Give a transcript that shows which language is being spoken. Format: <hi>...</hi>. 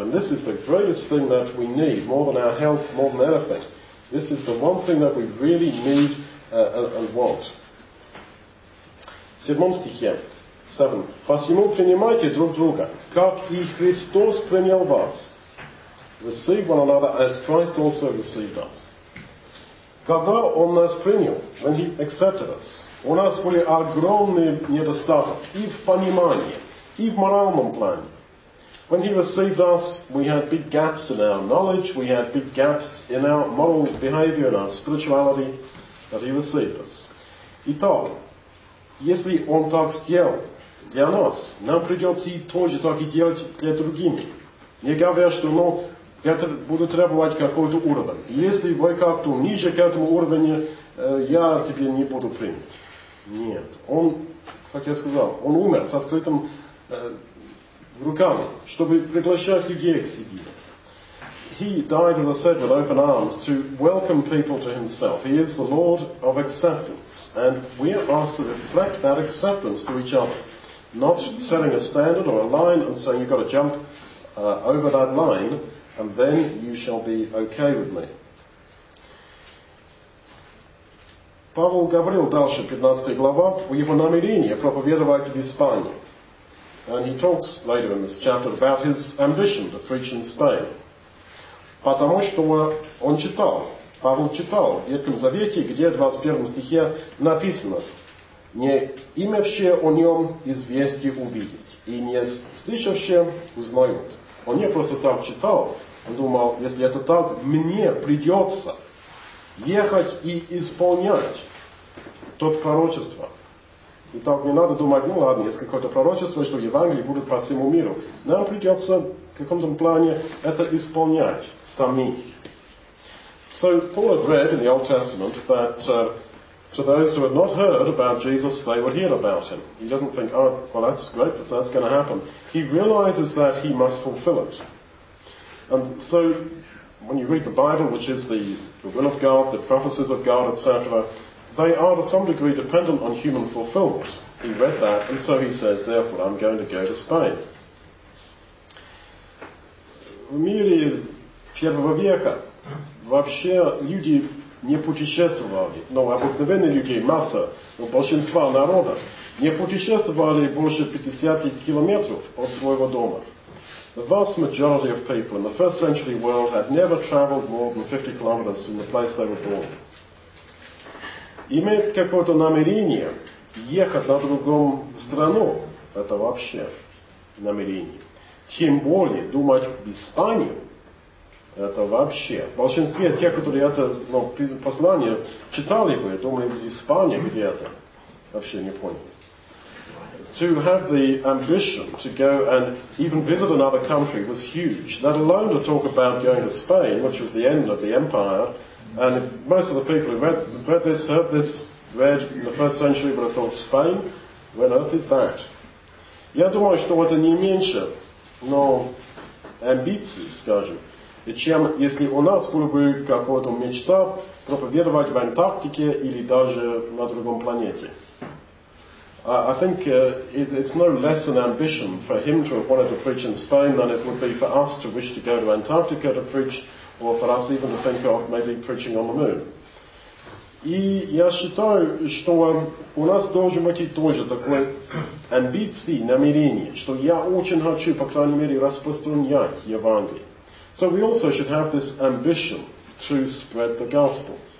<en>And this is the greatest thing that we need, more than our health, more than anything. This is the one thing that we really need and want.</en> <ru>В 7 стихе, 7. Посему принимайте друг друга, как и Христос принял вас.</ru> <en>Receive one another as Christ also received us.</en> <ru>Когда Он нас принял,</ru> <en>when He accepted us,</en> <ru>у нас были огромные недостатки и в понимании, и в моральном плане.</ru> <en>When He received us, we had big gaps in our knowledge, we had big gaps in our moral behavior, in our spirituality, but He received us.</en> <ru>Итак, если Он так сделал для нас, нам придется и тоже так и делать для других. Не говоря, что это будет требовать какой-то уровень. Если вы как-то ниже к этому уровню, я тебе не буду принять. Нет. Он, как я сказал, он умер с открытым руками, чтобы приглашать людей к себе.</ru> <en>He died, as I said, with open arms to welcome people to himself. He is the Lord of acceptance. And we are asked to reflect that acceptance to each other. Not setting a standard or a line and saying you've got to jump over that line. And then you shall be okay with me.</en> <ru>Павел говорил дальше, 15 глава, о его намерении проповедовать в Испании.</ru> <en>And he talks later in this chapter about his ambition to preach in Spain.</en> <ru>Потому что он читал, Павел читал в Ветхом Завете, где в 21 стихе написано, не имевшие о нем известие увидеть, и не слышавшие узнают. Он не просто так читал, он думал, если это так, мне придется ехать и исполнять то пророчество. И так не надо думать, есть какое-то пророчество, что Евангелие будет по всему миру. Нам придется в каком-то плане это исполнять сами.</ru> <en>So Paul had read in the Old Testament that to those who had not heard about Jesus, they would hear about him. He doesn't think, oh, well, that's great, but that's going to happen. He realizes that he must fulfill it. And so when you read the Bible, which is the will of God, the prophecies of God, etc., they are to some degree dependent on human fulfillment. He read that, and so he says, therefore, I'm going to go to Spain.</en> <ru>В мире первого века вообще люди не путешествовали, но обыкновенные люди, масса, но большинство народа, не путешествовали больше 50 километров от своего дома.</ru> <en>The vast majority of people in the first century world had never traveled more than 50 kilometers from the place they were born.</en> <ru>Иметь какое-то намерение ехать на другую страну, это вообще намерение. Тем более думать об Испании, это вообще. В большинстве тех, которые это послание читали бы, думали бы Испания где-то, вообще не поняли.</ru> <en>To have the ambition to go and even visit another country was huge. That alone to talk about going to Spain, which was the end of the empire, and if most of the people who read in the first century would have thought, Spain? When earth is that?</en> <ru>Я думаю, что это не меньше, но амбиции, скажем, чем если у нас было бы какая-то мечта проповедовать в Антарктике или даже на другом планете.</ru> <en>I think it's no less an ambition for him to have wanted to preach in Spain than it would be for us to wish to go to Antarctica to preach, or for us even to think of maybe preaching on the moon.</en> <ru>И я считаю, что у нас должен быть тоже такой амбиции, намерение, что я очень хочу, по крайней мере, распространять Евангелие.</ru> <en>So we also should have this ambition to spread the gospel.</en>